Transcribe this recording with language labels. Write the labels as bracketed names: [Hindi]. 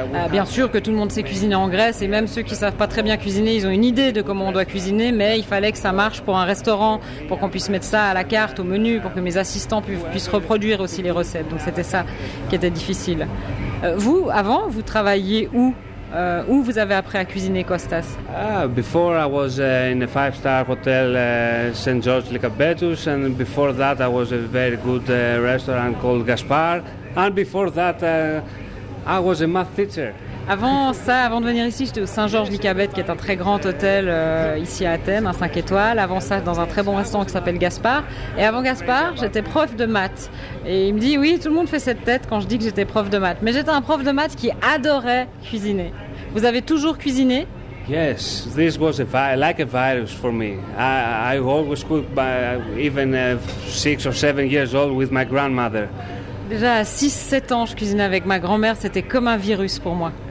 [French] Bien sûr que tout le monde sait cuisiner en Grèce, et même ceux qui ne savent pas très bien cuisiner, ils ont une idée de comment on doit cuisiner, mais il fallait que ça marche pour un restaurant, pour qu'on puisse mettre ça à la carte, au menu, pour que mes assistants puissent reproduire aussi les recettes. Donc c'était ça qui était difficile. Vous, avant, vous travailliez où? Où vous avez appris à cuisiner, Kostas? [English] Before I was in a five-star hotel, St. George Lycabettus, and before that I was a very good restaurant called Gaspar, and before that... I was a math teacher. [French] Avant de venir ici, j'étais au Saint-Georges Lycabette, qui est un très grand hôtel ici à Athènes, un 5 étoiles. Avant ça, dans un très bon restaurant qui s'appelle Gaspard. Et avant Gaspard, j'étais prof de maths. Et il me dit, oui, tout le monde fait cette tête quand je dis que j'étais prof de maths. Mais j'étais un prof de maths qui adorait cuisiner. Vous avez toujours cuisiné? [English] Yes, this was like a virus for me. I always cooked by even 6 or 7 years old with my grandmother. [French] Déjà à 6-7 ans, je cuisinais avec ma grand-mère, c'était comme un virus pour moi.